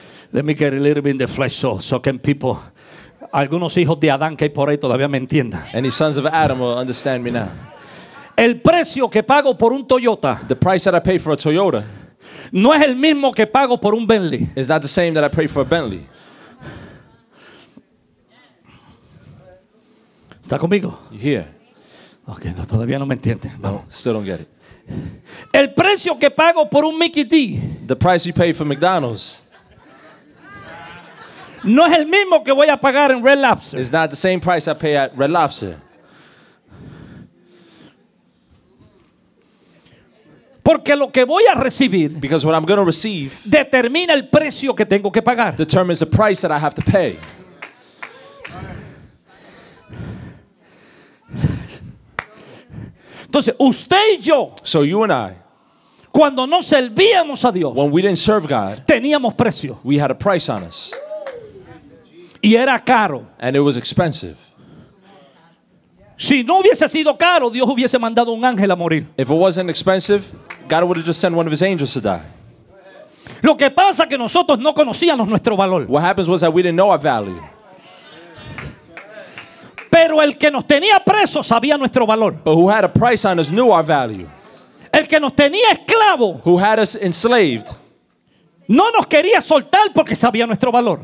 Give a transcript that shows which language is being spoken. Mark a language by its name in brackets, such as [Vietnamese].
[English] Let me get a little bit in the flesh so can people, [Spanish] algunos hijos de Adán que hay por ahí todavía me entiendan. [English] Any sons of Adam will understand me now. [Spanish] El precio que pago por un Toyota. [English] The price that I pay for a Toyota. [Spanish] No es el mismo que pago por un Bentley. [English] Is not the same that I pay for a Bentley. [Spanish] ¿Está conmigo? [English] You here? [Spanish] Okay, no, todavía no me entiende. [English] No, still don't get it. [Spanish] El precio que pago por un Mickey D. [English] The price you pay for McDonald's. [Spanish] No es el mismo que voy a pagar en Red Lobster. [English] It's not the same price I pay at Red Lobster. [Spanish] Porque lo que voy a recibir, [English] because what I'm going to receive, [Spanish] determina el precio que tengo que pagar. [English] Determines the price that I have to pay. [Spanish] Entonces, usted y yo, [English] so you and I, [Spanish] cuando no servíamos a Dios, [English] when we didn't serve God, [Spanish] teníamos precio. [English] We had a price on us. [Spanish] Y era caro. [English] And it was expensive. [Spanish] Si no hubiese sido caro, Dios hubiese mandado un ángel a morir. [English] If it wasn't expensive, God would have just sent one of his angels to die. [Spanish] Lo que pasa que nosotros no conocíamos nuestro valor. [English] What happens was that we didn't know our value. [Spanish] Pero el que nos tenía preso sabía nuestro valor. [English] But who had a price on us knew our value. [Spanish] El que nos tenía esclavo, [English] who had us enslaved, [Spanish] no nos quería soltar porque sabía nuestro valor.